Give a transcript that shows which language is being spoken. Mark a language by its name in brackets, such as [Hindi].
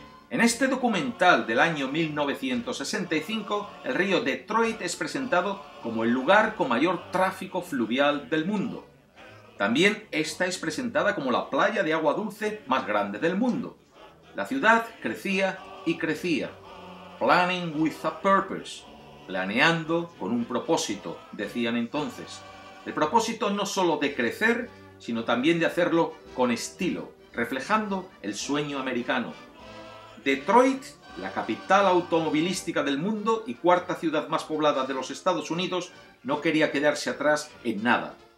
[Spanish] En este documental del año 1965, el río Detroit es presentado como el lugar con mayor tráfico fluvial del mundo. También esta es presentada como la playa de agua dulce más grande del mundo. La ciudad crecía y crecía. [English] Planning with a purpose. [Spanish] Planeando con un propósito, decían entonces. El propósito no solo de crecer, sino también de hacerlo con estilo, reflejando el sueño americano. Detroit, la capital automovilística del mundo y cuarta ciudad más poblada de los Estados Unidos, no quería quedarse atrás en nada.